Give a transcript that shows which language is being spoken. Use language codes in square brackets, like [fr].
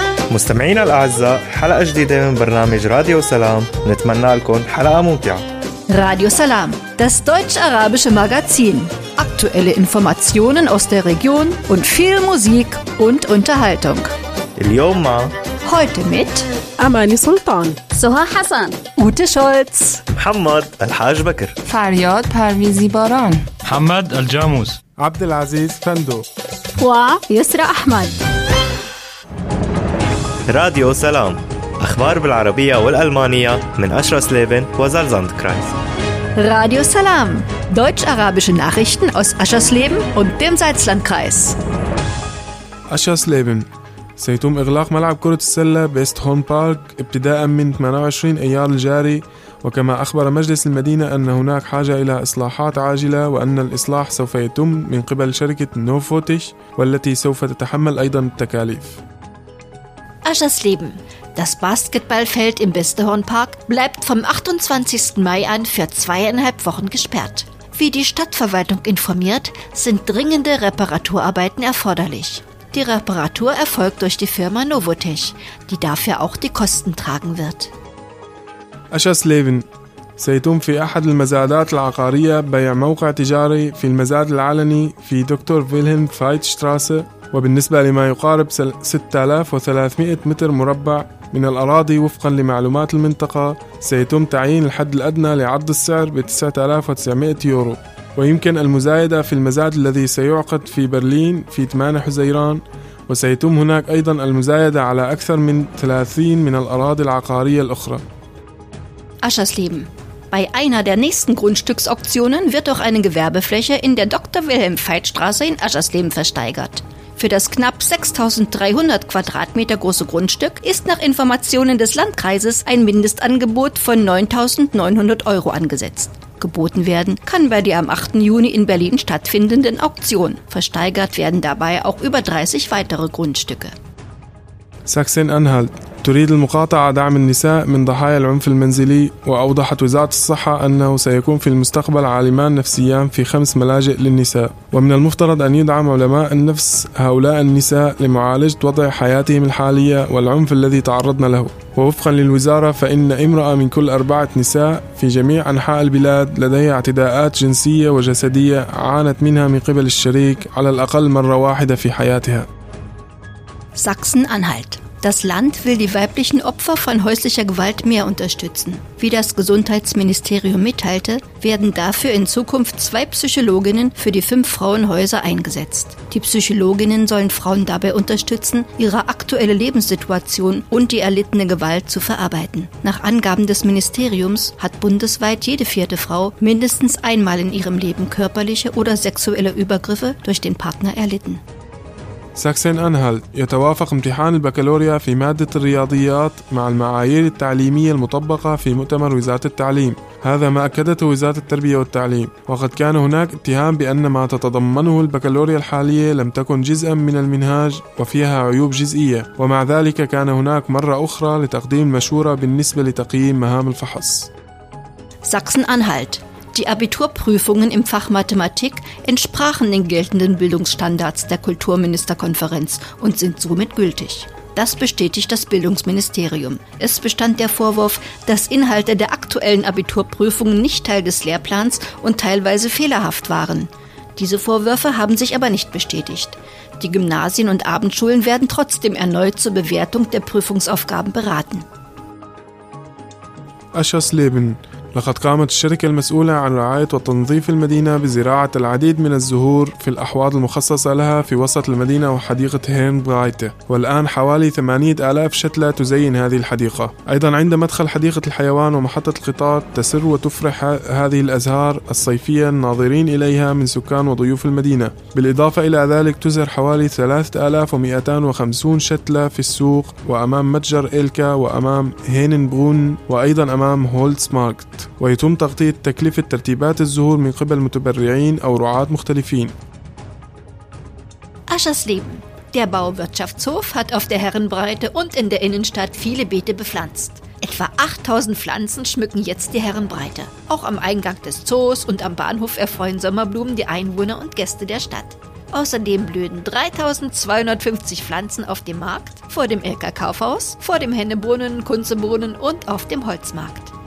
[ar] مستمعينا الأعزاء، حلقة جديدة من برنامج راديو سلام، نتمنى لكم حلقة ممتعة. [de] راديو سلام، das deutsch-arabische Magazin. Aktuelle Informationen aus der Region und viel Musik und Unterhaltung. [ar] اليوم مع [de] heute mit [ar] أماني سلطان، سهى حسن، أوتي شولتز، محمد الحاج بكر، فرياد پرویزی باران، محمد الجاموس، عبد العزيز فندو، و يسرى أحمد. راديو سلام، أخبار بالعربية والألمانية من أشرس ليبن وزلزاند كرايس. [de] راديو سلام، deutsch-arabische Nachrichten aus Aschers Leben und dem Salzlandkreis. Aschers Leben. [ar] سيتم إغلاق ملعب كرة السلة بيست هون بارك ابتداء من 28 أيار الجاري، وكما أخبر مجلس المدينة أن هناك حاجة إلى إصلاحات عاجلة وأن الإصلاح سوف يتم من قبل شركة نوفوتش والتي سوف تتحمل أيضا التكاليف. [de] Aschers Leben. Das Basketballfeld im Westerhornpark bleibt vom 28. Mai an für 2,5 Wochen gesperrt. Wie die Stadtverwaltung informiert, sind dringende Reparaturarbeiten erforderlich. Die Reparatur erfolgt durch die Firma Novotech, die dafür auch die Kosten tragen wird. Aschers Leben. [ar] سيتم في أحد المزادات العقارية بيع موقع تجاري في المزاد العلني في دكتور فيلهيم فايت شتراسة، وبالنسبة لما يقارب 6300 متر مربع من الأراضي وفقا لمعلومات المنطقة، سيتم تعيين الحد الأدنى لعرض السعر ب 9900 يورو، ويمكن المزايدة في المزاد الذي سيعقد في برلين في 8 حزيران، وسيتم هناك أيضا المزايدة على أكثر من 30 من الأراضي العقارية الأخرى. [de] Aschers Leben. Bei einer der nächsten Grundstücksauktionen wird auch eine Gewerbefläche in der Dr. Wilhelm Veit Straße in Aschers Leben versteigert. Für das knapp 6300 Quadratmeter große Grundstück ist nach Informationen des Landkreises ein Mindestangebot von 9900 Euro angesetzt. Geboten werden kann bei der am 8. Juni in Berlin stattfindenden Auktion. Versteigert werden dabei auch über 30 weitere Grundstücke. Sachsen-Anhalt. [ar] تريد المقاطعة دعم النساء من ضحايا العنف المنزلي، وأوضحت وزارة الصحة أنه سيكون في المستقبل عالمان نفسيان في 5 ملاجئ للنساء، ومن المفترض أن يدعم علماء النفس هؤلاء النساء لمعالجة وضع حياتهم الحالية والعنف الذي تعرضنا له. ووفقا للوزارة، فإن امرأة من كل 4 نساء في جميع أنحاء البلاد لديها اعتداءات جنسية وجسدية عانت منها من قبل الشريك على الأقل مرة واحدة في حياتها. [de] Sachsen-Anhalt. Das Land will die weiblichen Opfer von häuslicher Gewalt mehr unterstützen. Wie das Gesundheitsministerium mitteilte, werden dafür in Zukunft 2 Psychologinnen für die 5 Frauenhäuser eingesetzt. Die Psychologinnen sollen Frauen dabei unterstützen, ihre aktuelle Lebenssituation und die erlittene Gewalt zu verarbeiten. Nach Angaben des Ministeriums hat bundesweit jede 4. Frau mindestens einmal in ihrem Leben körperliche oder sexuelle Übergriffe durch den Partner erlitten. Sachsen-Anhalt. [ar] يتوافق امتحان البكالوريا في مادة الرياضيات مع المعايير التعليمية المطبقة في مؤتمر وزارة التعليم، هذا ما أكدته وزارة التربية والتعليم، وقد كان هناك اتهام بأن ما تتضمنه البكالوريا الحالية لم تكن جزءا من المنهاج وفيها عيوب جزئية، ومع ذلك كان هناك مرة أخرى لتقديم المشورة بالنسبة لتقييم مهام الفحص. [de] Sachsen-Anhalt. Die Abiturprüfungen im Fach Mathematik entsprachen den geltenden Bildungsstandards der Kulturministerkonferenz und sind somit gültig. Das bestätigt das Bildungsministerium. Es bestand der Vorwurf, dass Inhalte der aktuellen Abiturprüfungen nicht Teil des Lehrplans und teilweise fehlerhaft waren. Diese Vorwürfe haben sich aber nicht bestätigt. Die Gymnasien und Abendschulen werden trotzdem erneut zur Bewertung der Prüfungsaufgaben beraten. Aschers Leben. [ar] لقد قامت الشركة المسؤولة عن رعاية وتنظيف المدينة بزراعة العديد من الزهور في الأحواض المخصصة لها في وسط المدينة وحديقة هيرن برايتة، والآن حوالي 8000 شتلة تزين هذه الحديقة. أيضا عند مدخل حديقة الحيوان ومحطة القطار تسر وتفرح هذه الأزهار الصيفية الناظرين إليها من سكان وضيوف المدينة. بالإضافة إلى ذلك تزهر حوالي 3250 شتلة في السوق وأمام متجر إلكا وأمام هينن بغون وأيضا أمام هولتس ماركت، ويتم تغطية تكلفة ترتيبات الزهور من قبل متبرعين أو رعاة مختلفين. [de] Aschers Leben. Der Bauwirtschaftshof hat auf der Herrenbreite und in der Innenstadt viele Beete bepflanzt. Etwa 8000 Pflanzen schmücken jetzt die Herrenbreite. Auch am Eingang des Zoos und am Bahnhof erfreuen Sommerblumen die Einwohner und Gäste der Stadt. Außerdem blühen 3250 Pflanzen auf dem Markt, vor dem Elka-Kaufhaus, vor dem Hennebrunnen, Kunzebrunnen und auf dem Holzmarkt.